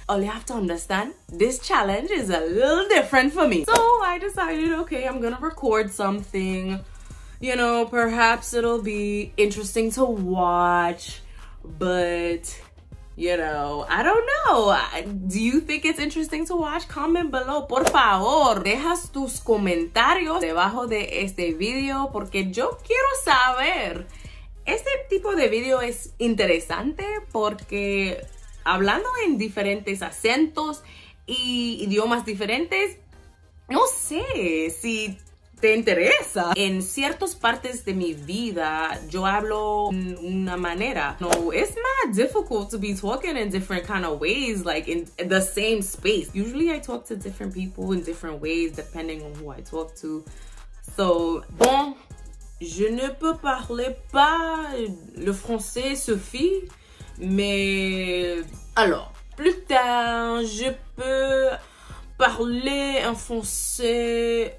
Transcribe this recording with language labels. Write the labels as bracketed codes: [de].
[en] All you have to understand, this challenge is a little different for me. So I decided, okay, I'm gonna record something. You know, perhaps it'll be interesting to watch, but you know, I don't know. Do you think it's interesting to watch? Comment below, por favor. [es] Dejas tus comentarios debajo de este video porque yo quiero saber. Este tipo de video es interesante porque hablando en diferentes acentos y idiomas diferentes, no sé si te interesa. En ciertas partes de mi vida, yo hablo en una manera. [en] No, it's not difficult to be talking in different kind of ways, like in the same space. Usually I talk to different people in different ways depending on who I talk to. [fr] So, bon, je ne peux parler pas le français, Sophie, mais alors, plus tard, je peux parler en français.